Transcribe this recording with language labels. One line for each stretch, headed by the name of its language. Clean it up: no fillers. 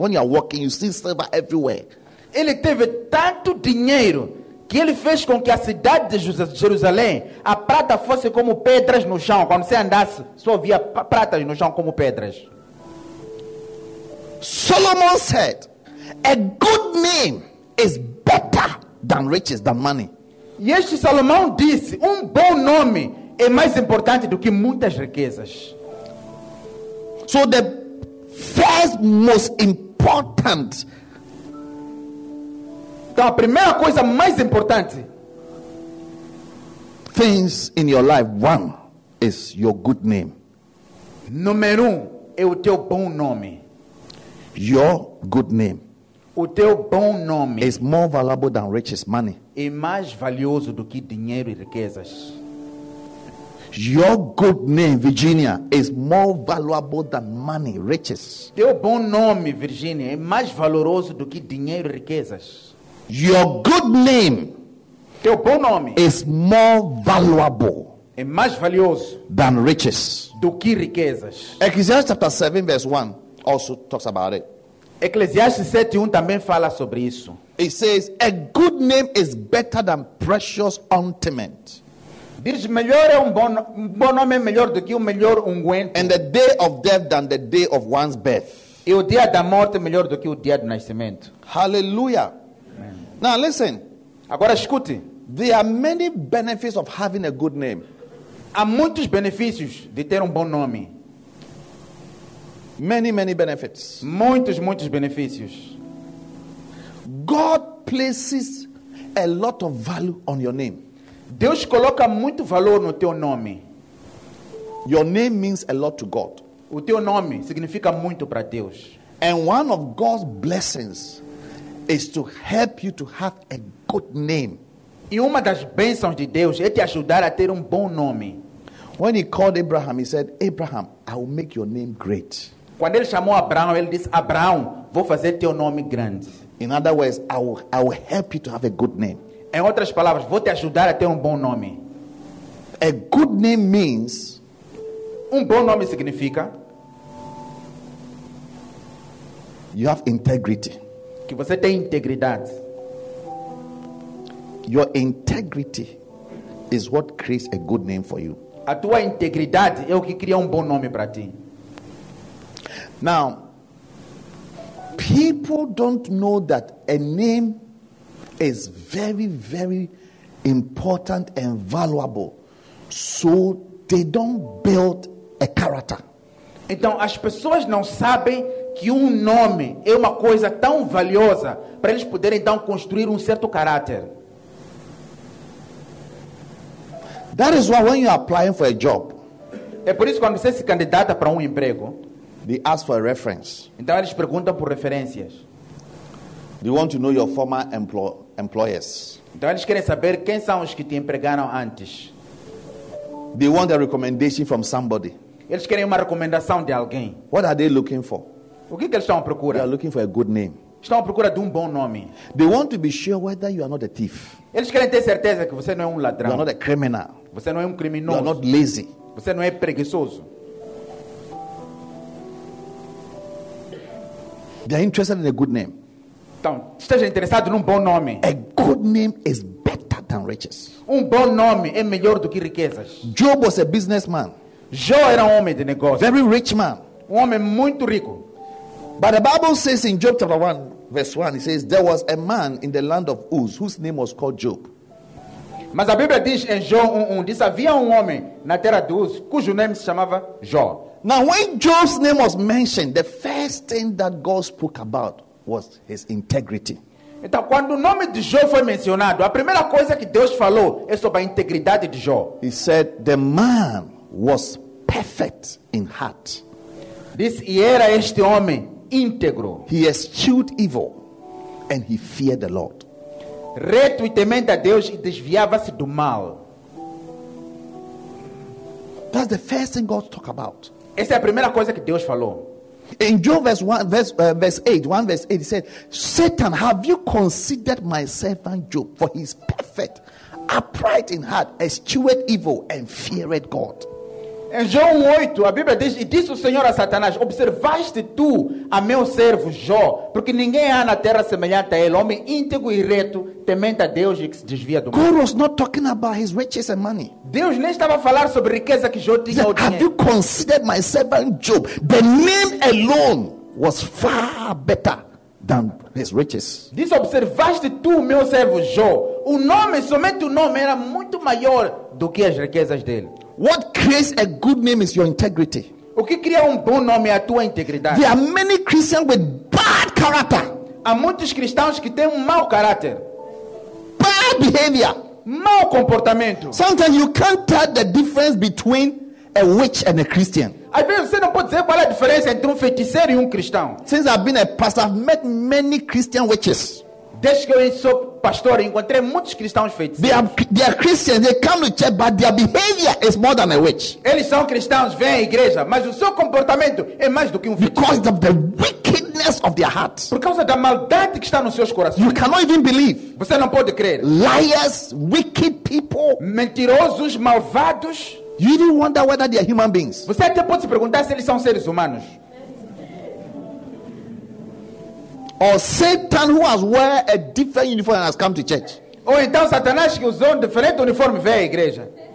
English: When you are walking, you see silver everywhere.
Portuguese: Ele teve tanto dinheiro que ele fez com que a cidade de Jerusalém, a prata fosse como pedras no chão. Quando você andasse, só via pratas no chão como pedras.
English: Solomon said, a good name is better than riches, than money.
Portuguese: E este Salomão disse, um bom nome é mais importante do que muitas riquezas.
English: So the first most important,
Portuguese: então, a primeira coisa mais importante,
English: things in your life, one is your good name.
Portuguese: Número um é o teu bom nome.
English: Your good name.
Portuguese: O teu bom nome
English: is more valuable than riches, money.
Portuguese: É mais valioso do que dinheiro e riquezas.
English: Your good name, Virginia, is more valuable than money, riches.
Portuguese: Teu bom nome, Virginia, é mais valoroso do que dinheiro e riquezas.
English: Your good name,
Portuguese: teu bom nome,
English: is more valuable,
Portuguese: é mais valioso,
English: than riches,
Portuguese: do que riquezas.
English: Ecclesiastes chapter 7 verse 1 also talks about it.
Portuguese: Ecclesiastes 7:1 também fala sobre isso.
English: It says, a good name is better than precious ointment.
Portuguese: Diz, melhor é bom nome é melhor do que o melhor ungüento.
English: And the day of death than the day of one's birth.
Portuguese: E o dia da morte é melhor do que o dia do nascimento.
English: Hallelujah. Now listen.
Portuguese: Agora escute.
English: There are many benefits of having a good name.
Portuguese: Há muitos benefícios de ter bom nome.
English: Many, many benefits.
Portuguese: Muitos, muitos benefícios.
English: God places a lot of value on your name.
Portuguese: Deus coloca muito valor no teu nome.
English: Your name means a lot to God.
Portuguese: O teu nome significa muito para Deus.
English: And one of God's blessings is to help you to have a good name.
Portuguese: E uma das bênçãos de Deus é te ajudar a ter bom nome.
English: When he called Abraham, he said, Abraham, I will make your name great.
Portuguese: Quando ele chamou Abraão, ele disse, Abraão, vou fazer teu nome grande.
English: In other words, I will help you to have a good name.
Portuguese: Em outras palavras, vou te ajudar a ter bom nome.
English: A good name means,
Portuguese: bom nome significa,
English: you have integrity.
Portuguese: Que você tem integridade.
English: Your integrity is what creates a good name for you.
Portuguese: A tua integridade é o que cria bom nome para ti.
English: Now, people don't know that a name is very, very important and valuable So they don't build a character.
Portuguese: Então as pessoas não sabem que nome é uma coisa tão valiosa para eles poderem então construir certo caráter.
English: That is why when you are applying for a job,
Portuguese: é por isso quando você se candidata para emprego,
English: they ask for a reference.
Portuguese: Então eles perguntam por referências.
English: They want to know your former employers.
Portuguese: Então eles querem saber quem são os que te empregaram antes.
English: They want a recommendation from somebody.
Portuguese: Eles querem uma recomendação de alguém.
English: What are they looking for?
Portuguese: O que eles estão à procura?
English: They are looking for a good name.
Portuguese: Estão à procura de bom nome.
English: They want to be sure whether you are not a thief.
Portuguese: Eles querem ter certeza que você não ladrão.
English: You are not a criminal.
Portuguese: Você não criminoso.
English: You are not lazy.
Portuguese: Você não preguiçoso.
English: They are interested in a good name.
Portuguese: Então, esteja interessado num bom nome.
English: A good name is better than riches.
Portuguese: Bom nome é melhor do que riquezas.
English: Job was a businessman.
Portuguese: Jó era homem de negócio.
English: Very rich man.
Portuguese: Homem muito rico.
English: But the Bible says in Job chapter 1, verse 1, it says, there was a man in the land of Uz whose name was called Job.
Portuguese: Mas a Bíblia diz em Jó 1:1, diz, havia homem na terra de Uz cujo nome se chamava Jó.
English: Now, when Job's name was mentioned, the first thing that God spoke about was his integrity.
Portuguese: Então, quando o nome de Jó foi mencionado, a primeira coisa que Deus falou é sobre a integridade de Jó.
English: He said, the man was perfect in heart.
Portuguese: Diz, e era este homem íntegro.
English: He eschewed evil and he feared the Lord.
Portuguese: Reto e temente a Deus e desviava-se do mal.
English: That's the first thing God talked about.
Portuguese: Essa é a primeira coisa que Deus falou.
English: In Job verse 8, he said, Satan, have you considered my servant Job? For he is perfect, upright in heart, eschewed evil and feared God.
Portuguese: Em João 8, a Bíblia diz, e disse o Senhor a Satanás, observaste tu a meu servo Jó, porque ninguém há na terra semelhante a ele, homem íntegro e reto, temente a Deus e que se desvia do mal.
English: God was not talking about his riches and money.
Portuguese: Deus nem estava a falar sobre a riqueza que Jó tinha.
English: Have
Portuguese: dinheiro.
English: You considered my servant Job? The name alone was far better than his riches.
Portuguese: Diz, observaste tu o meu servo Jó, o nome, somente o nome, era muito maior do que as riquezas dele.
English: What creates a good name is your integrity.
Portuguese: O que cria bom nome é a tua integridade.
English: There are many Christians with bad character.
Portuguese: Há muitos cristãos que têm mau caráter.
English: Bad behavior.
Portuguese: Mau comportamento.
English: Sometimes you can't tell the difference between a witch and a Christian.
Portuguese: Às vezes você não pode dizer qual é a diferença entre feiticeiro e cristão.
English: Since I've been a pastor, I've met many Christian witches.
Portuguese: Desde que eu sou pastor, encontrei muitos cristãos feiticeiros.
English: They are Christians, they come to church, but their behavior is more than a witch.
Portuguese: Eles são cristãos, vêm à igreja, mas o seu comportamento é mais do que feiticeiro.
English: Because of the wickedness of their hearts.
Portuguese: Por causa da maldade que está nos seus corações.
English: You cannot even believe.
Portuguese: Você não pode crer.
English: Liars, wicked people.
Portuguese: Mentirosos, malvados.
English: You even wonder whether they are human beings.
Portuguese: Você até pode se perguntar se eles são seres humanos.
English: Or Satan who has wear a different uniform and has come to church.
Portuguese: Ou então Satanás que usou diferente uniforme veio à igreja.